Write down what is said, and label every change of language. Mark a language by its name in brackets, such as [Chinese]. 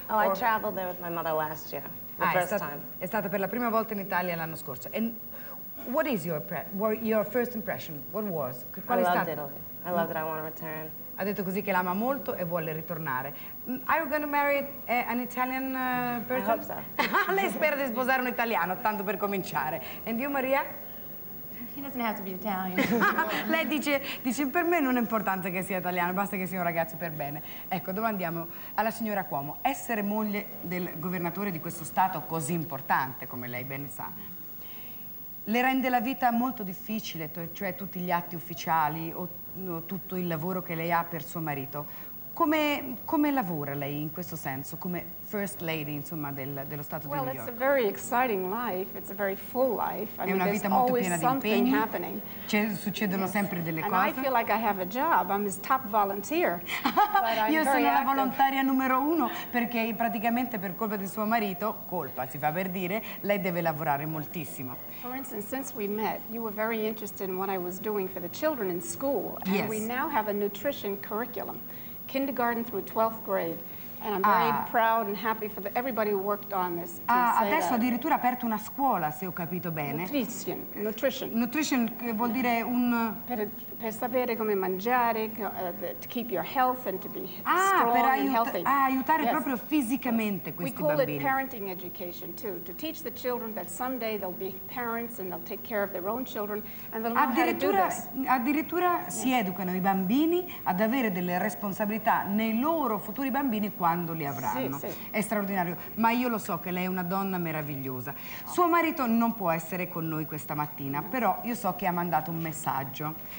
[English] Oh, I traveled there with my mother last year. [Italian] È stata per la prima volta in Italia l'anno scorso. [English] And what is your first impression? What was? Qual I loved stata? Italy. I loved it. I want to return. [Italian] Ha detto così che l'ama molto e vuole ritornare. [English] Are you going to marry an Italian person? I hope so. [Italian] Lei spera di sposare un italiano, tanto per cominciare. [English] And you, Maria? He doesn't have to be Italian. [Italian] Lei dice, per me non è importante che sia italiano, basta che sia un ragazzo per bene. Ecco, domandiamo alla signora Cuomo. Essere moglie del governatore di questo stato così importante, come lei ben sa, le rende la vita molto difficile, cioè tutti gli atti ufficiali o tutto il lavoro che lei ha per suo marito. Come lavora lei in questo senso, come first lady, insomma, dello Stato di New York? [English] Well, it's a very exciting life, it's a very full life. [Italian] È una vita molto piena di impegni, succedono sempre delle cose. [English] And I feel like I have a job, I'm his top volunteer. [Italian] Io sono la volontaria numero uno, perché praticamente per colpa di suo marito, colpa si fa per dire, lei deve lavorare moltissimo. [English] For instance, since we met, you were very interested in what I was doing for the children in school. Yes. And we now have a nutrition curriculum. Kindergarten through 12th grade, and I'm very proud and happy for everybody who worked on this. [Italian] Adesso addirittura ha aperto una scuola, se ho capito bene. [English] Nutrition. [Italian] Nutrition vuol dire un per sapere come mangiare, [English] to keep your health and to be strong and healthy. [Italian] Ah, aiutare proprio fisicamente questi bambini. [English] We call [Italian] bambini. [English] It parenting education too, to teach the children that someday they'll be parents and they'll take care of their own children and they'll know how to do this. [Italian] Addirittura si educano i bambini ad avere delle responsabilità nei loro futuri bambini quando li avranno. Sì, sì. È straordinario, ma io lo so che lei è una donna meravigliosa. Suo marito non può essere con noi questa mattina, però io so che ha mandato un messaggio.